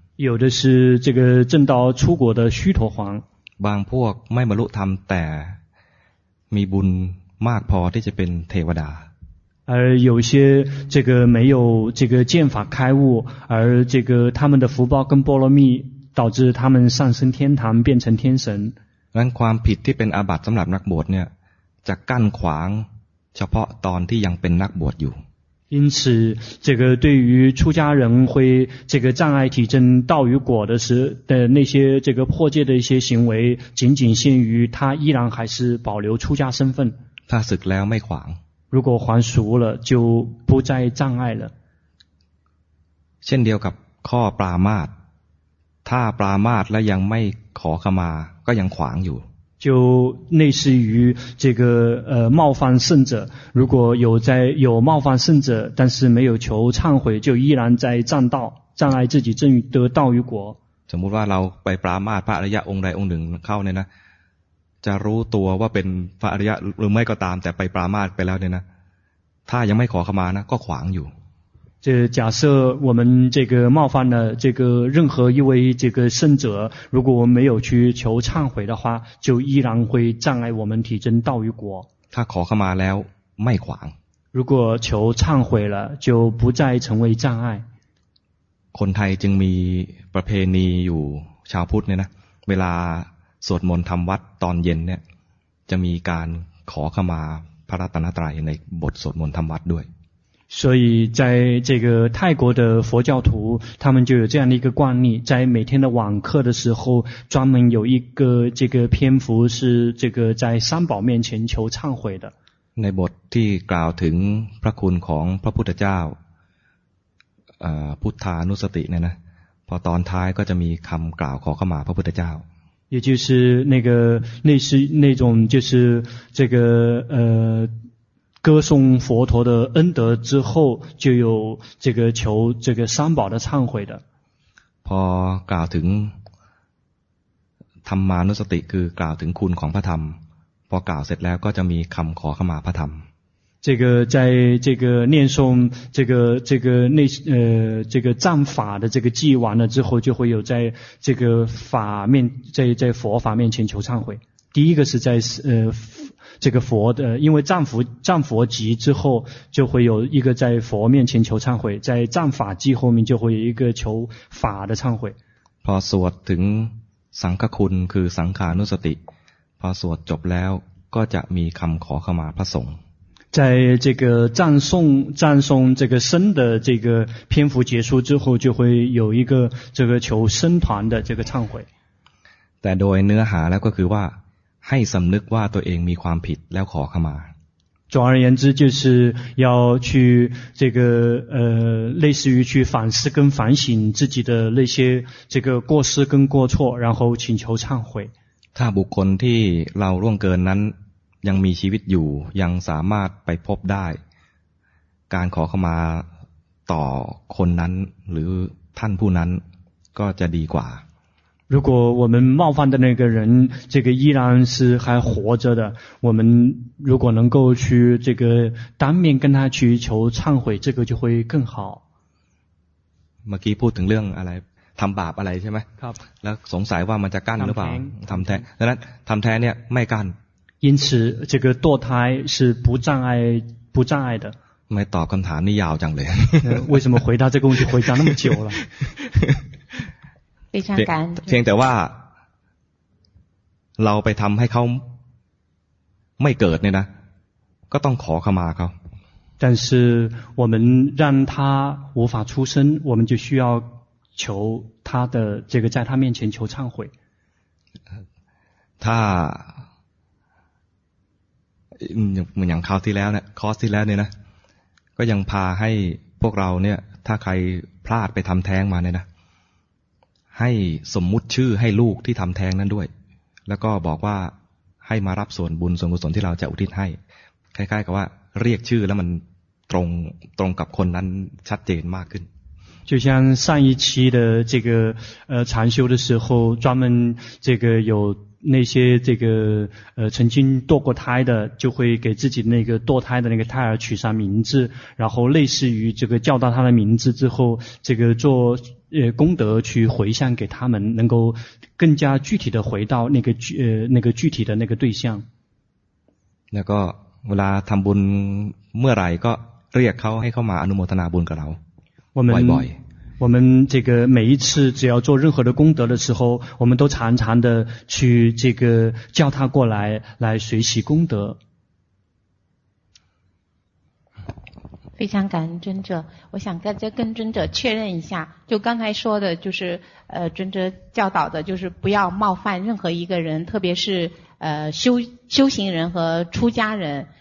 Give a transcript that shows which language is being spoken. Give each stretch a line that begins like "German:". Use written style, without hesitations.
Chinese: 有的是这个证到出果的须陀洹
Thai: บางพวกไม่บรรลุธรรมแต่มีบุญมากพอที่จะเป็นเทวดา
Chinese: 而有些这个没有这个见法开悟而这个他们的福报跟波罗蜜导致他们上升天堂变成天神
Thai: งั้นความผิดที่เป็นอาบัติสำหรับนักบวชเนี่ยจะกั้นขวางเฉพาะตอนที่ยังเป็นนักบวชอยู่
Chinese: 因此这个对于出家人会这个障碍体证道与果的时的那些这个破戒的一些行为仅仅限于他依然还是保留出家身份
Thai: ถ้าศึกแล้วไม่ขวาง
Chinese: 如果还俗了就不再障碍了
Thai: เช่นเดียวกับข้อปรามาสถ้าปรามาสแล้วยังไม่ขอขมาก็ยังขวางอยู่
Chinese: 就类似于这个冒犯圣者如果有在有冒犯圣者但是没有求忏悔就依然在障道障碍自己正得道与果
Thai: สมมติว่าเราไปปรามาสพระอริยะองค์ใดองค์หนึ่งเข้าเนี่ยนะจะรู้ตัวว่าเป็นพระอริยะหรือไม่ก็ตามแต่ไปปรามาสไปแล้วเนี่ยนะถ้ายังไม่ขอขมานะก็ขวางอยู่
Chinese: 这假设我们这个冒犯了这个任何一位这个圣者如果我们没有去求忏悔的话就依然会障碍我们体证道与果
Thai: 他ขอเข้ามาแล้วไม่ขวาง
Chinese: 如果求忏悔了就不再成为障碍
Thai: คนไทยจึงมีประเพณีอยู่ชาวพุทธเนี่ยนะเวลาสวดมนต์ทำวัดตอนเย็นเนี่ยจะมีการขอเข้ามาพระรัตนตรัยในบทสวดมนต์ทำวัดด้วย
Chinese: 所以在这个泰国的佛教徒他们就有这样的一个惯例在每天的晚课的时候专门有一个这个篇幅是这个在三宝面前求忏悔的
Thai: ในบทที่กล่าวถึงพระคุณของพระพุทธเจ้าพุทธานุสติเนี่ยนะพอตอนท้ายก็จะมีคำกล่าวขอเข้ามาพระพุทธเจ้า
Chinese: 也就是那个类似那种就是这个歌颂佛陀的恩德之后就有这个求这个三宝的忏悔的
Thai: พอกล่าวถึงธรรมานุสติคือกล่าวถึงคุณของพระธรรมพอกล่าวเสร็จแล้วก็จะมีคำขอขมาพระธรรม
Chinese: 这个在这个念诵这个这个那这个战法的这个祭完了之后就会有在这个法面在在佛法面前求忏悔第一个是在这个佛的因为战佛集之后就会有一个在佛面前求忏悔在战法集后面就会有一个求法的忏悔
Thai: พอสวดถึงสังฆคุณคือสังฆานุสติพอสวดจบแล้วก็จะมีคำขอเข้ามาพระสงฆ์
Chinese: 在这个赞颂这个僧的这个篇幅结束之后就会有一个这个求僧团的这个忏悔
Thai: แต่โดยเนื้อหาแล้วก็คือว่าให้สำนึกว่าตัวเองมีความผิดแล้วขอขมา
Chinese: 总而言之就是要去这个类似于去反思跟反省自己的那些这个过失跟过错，然后请求忏悔。
Thai: ถ้าบุคคลที่เราล่วงเกินนั้นยังมีชีวิตอยู่ยังสามารถไปพบได้การขอขมาต่อคนนั้นหรือท่านผู้นั้นก็จะดีกว่า
Chinese: 如果我们冒犯的那个人这个依然是还活着的，我们如果能够去这个当面跟他去求忏悔，这个就会更好。
Thai: เมื่อกี้พูดถึงเรื่องอะไรทำบาปอะไรใช่ไหม ครับ แล้วสงสัยว่ามันจะกั้นหรือเปล่าทำแท้งดังนั้นทำแท้งเนี่ยไม่กั้น
Chinese: 因此这个堕胎是不障碍不障碍的
Thai: ไม่ตอบคำถามนี่ยาวจังเลย
Chinese: 为什么回答这个问题回答那么久了非常感
Thai: เพียงแต่ว่าเราไปทำให้เขาไม่เกิดเนี่ยนะก็ต้องขอเข้ามาเขา
Chinese: 但是我们让他无法出生我们就需要求他的这个在他面前求忏悔
Thai: ถ้าเหมือนอย่างคราวที่แล้วเนี่ยคอร์สที่แล้วเนี่ยนะก็ยังพาให้พวกเราเนี่ยถ้าใครพลาดไปทำแท้งมาเนี่ยนะให้สมมุติชื่อให้ลูกที่ทำแท้งนั้นด้วยแล้วก็บอกว่าให้มารับส่วนบุญส่วนกุศลที่เราจะอุทิศให้คล้ายๆกับว่าเรียกชื่อแล้วมันตรงกับคนนั้นชัดเจนมากขึ้น
Chinese: 就像上一期的这个禅修的时候专门这个有那些这个曾经堕过胎的就会给自己那个堕胎的那个胎儿取上名字然后类似于这个叫到他的名字之后这个做功德去回向给他们能够更加具体的回到那个具体的那个对象
Thai: 那个เวลาทำบุญเมื่อไหร่ก็เรียกเขาให้เข้ามาอนุโมทนาบุญกับเรา
Chinese: 我们这个每一次只要做任何的功德的时候，我们都常常的去这个叫他过来，来随喜功德。非常感恩尊者，我想跟尊者确认一下，就刚才说的，就是尊者教导的，就是不要冒犯任何一个人，特别是修行人和出家人。